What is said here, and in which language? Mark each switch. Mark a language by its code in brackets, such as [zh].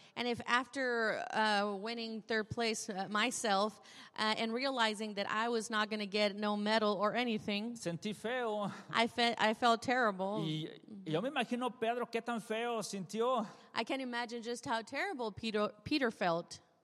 [en] And if after winning third place myself and realizing that I was not going to get no medal or anything, [es] sentí feo. [en] I felt terrible. [es] Y yo me imagino Pedro qué tan feo sintió. [en] I can't imagine just how terrible Peter felt.